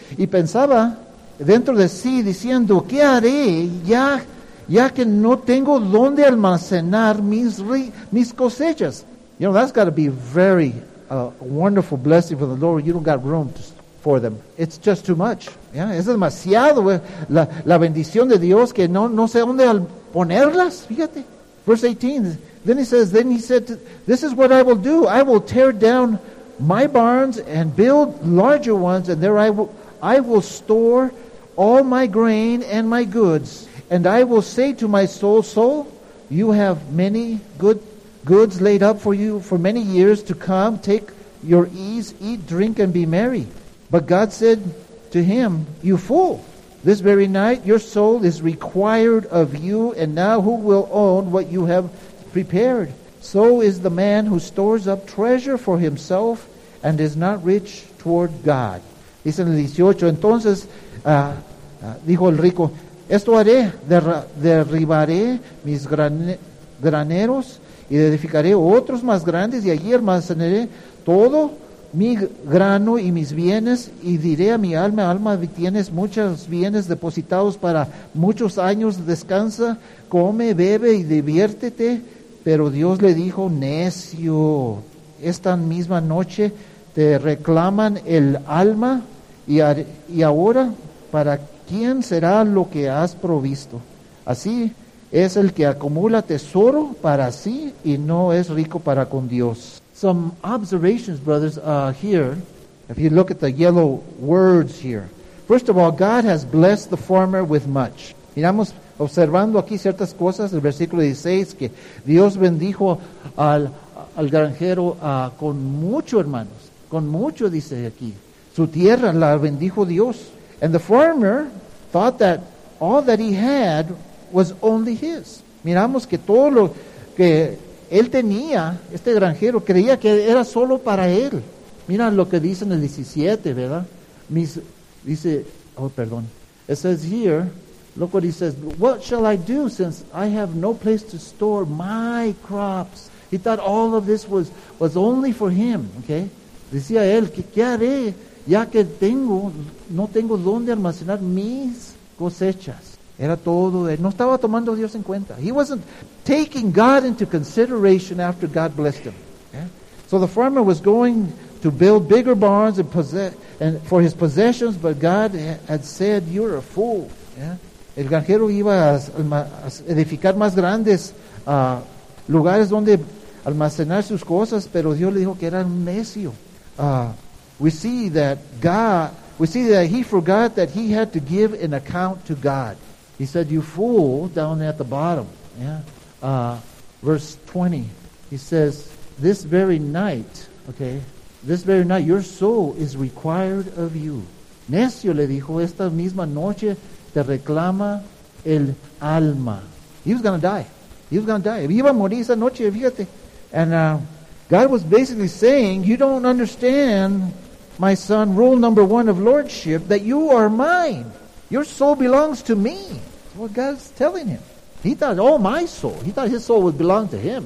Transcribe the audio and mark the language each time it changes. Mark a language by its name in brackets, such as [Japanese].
[Spanish] Y pensaba dentro de sí, diciendo, ¿qué haré ya que no tengo dónde almacenar mis cosechas? [English] You know, that's got to be very wonderful blessing for the Lord. You don't got room to for them. It's just too much. [Spanish] Yeah, es demasiado la bendición de Dios que no sé dónde ponerlas. [English] Fíjate. Verse 18. Then he said, this is what I will do. I will tear down my barns and build larger ones, and there I will store all my grain and my goods. And I will say to my soul, soul, you have many good goods laid up for you for many years to come. Take your ease, eat, drink, and be merry. But God said to him, you fool, this very night your soul is required of you, and now who will own what you have prepared? So is the man who stores up treasure for himself and is not rich toward God. [Spanish] Dice en el 18, entonces dijo el rico, esto haré, derribaré mis graneros y edificaré otros más grandes y allí almacenaré todo mi grano y mis bienes y diré a mi alma, alma, tienes muchos bienes depositados para muchos años, descansa, come, bebe y diviértete. Pero Dios le dijo, necio, esta misma noche te reclaman el alma y ahora, ¿para quién será lo que has provisto? Así es el que acumula tesoro para sí y no es rico para con Dios. [English] Some observations, brothers, here. If you look at the yellow words here. First of all, God has blessed the farmer with much. [Spanish] Miramos observando aquí ciertas cosas, el versículo 16, que Dios bendijo al granjero con mucho, hermanos. Con mucho, dice aquí. Su tierra la bendijo Dios. [English] And the farmer thought that all that he had was only his. [Spanish] Miramos que todo lo que él tenía, este granjero, creía que era solo para él. Mira lo que dice en el 17, ¿verdad? [English] It says here, look what he says, what shall I do since I have no place to store my crops? He thought all of this was only for him, okay? [Spanish] Decía él, ¿qué haré ya que tengo, no tengo dónde almacenar mis cosechas? Era todo, no estaba tomando a Dios en cuenta. [English] He wasn't taking God into consideration after God blessed him. Yeah? So the farmer was going to build bigger barns and for his possessions, but God had said, you're a fool. Yeah? [Spanish] El granjero iba a edificar más grandes lugares donde almacenar sus cosas, pero Dios le dijo que era un necio. [English] We see that he forgot that he had to give an account to God. He said, you fool, down at the bottom. Yeah. Verse 20, he says, this very night, your soul is required of you. [Spanish] Necio, le dijo, esta misma noche te reclama el alma. [English] He was going to die. [Spanish] Iba a morir esa noche, fíjate. [English] And God was basically saying, you don't understand, my son, rule number one of lordship, that you are mine. Your soul belongs to me. What God's telling him. He thought, oh, my soul. He thought his soul would belong to him.